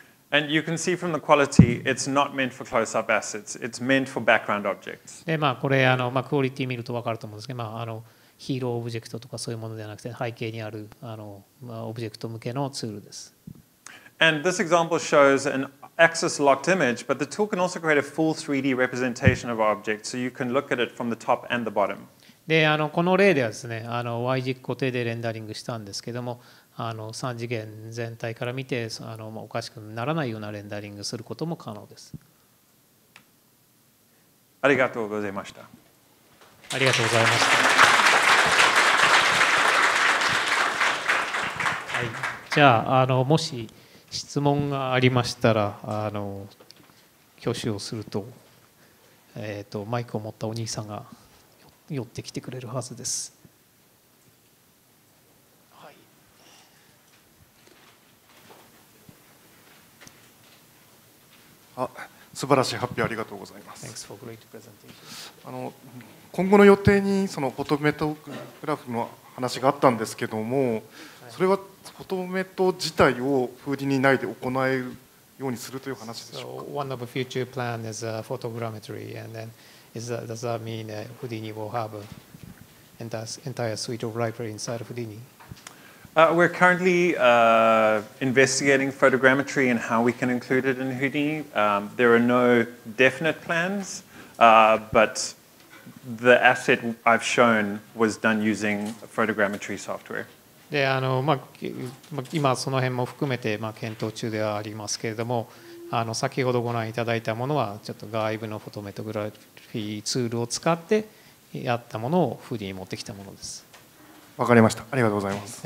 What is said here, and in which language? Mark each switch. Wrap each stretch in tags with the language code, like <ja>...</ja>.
<en>And you can see from the quality, it's not meant for close-up assets. It's meant for background objects.</en> <ja>で、まあ、これ、まあ、クオリティ見ると分かると思うんですけど、まあ、ヒーローオブジェクトとかそういうものではなくて、背景にある、まあ、オブジェクト向けのツールです。</ja> <en>And this example shows an axis locked image, but the tool can also create a full 3D representation of objects, so you can look at it from the top and the bottom.</en> <ja>で、この例ではですね、Y 軸固定でレンダリングしたんですけども、3次元全体から見て、おかしくならないようなレンダリングすることも可能です。ありがとうございました。ありがとうございました。はい、じゃあ、もし質問がありましたら挙手をすると、マイクを持ったお兄さんが寄ってきてくれるはずです。はい。あ、素晴らしい発表ありがとうございます。</ja> <en>Thanks for great presentation.</en> <ja>今後の予定にそのフォトメトグラフの話があったんですけども、それはフォトメト自体をフーディニ内で行えるようにするという話でしょうか。</ja> <en>So one of the future plan is a photogrammetry, and then is that, does that mean that Houdini will have an entire suite of library inside of Houdini? We're currently investigating photogrammetry and how we can include it in Houdini. There are no definite plans, but the asset I've shown was done using photogrammetry software.</en> <ja>で、まあ、今その辺も含めて、まあ、検討中ではありますけれども、先ほどご覧いただいたものはちょっと外部のフォトメトグラフィーツールを使ってやったものをフーディに持ってきたものです。わかりました、ありがとうございます。</ja>